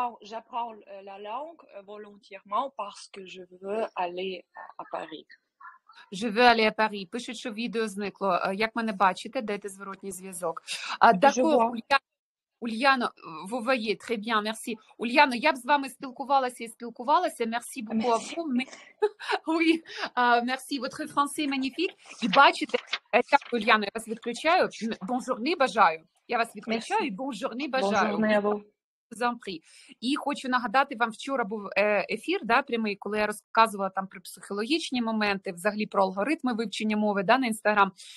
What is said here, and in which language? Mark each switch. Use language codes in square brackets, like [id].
[fr] J'apprends la langue volontairement parce que je veux aller à Paris. Je veux aller à Paris. [uk] Пишуть, що відео зникло. Як мене бачите, дайте зворотній зв'язок. [fr] Ульяна, vous voyez, très bien, merci. [uk] Ульяна, я б з вами спілкувалася, [fr] merci beaucoup. Oui, merci, votre français magnifique. [uk] І бачите, Ульяна, я вас відключаю, bonjourne, бажаю. І хочу нагадати, вам вчора був ефір, да, прямий, коли я розказувала там про психологічні моменти, взагалі про алгоритми вивчення мови, да, на Instagram.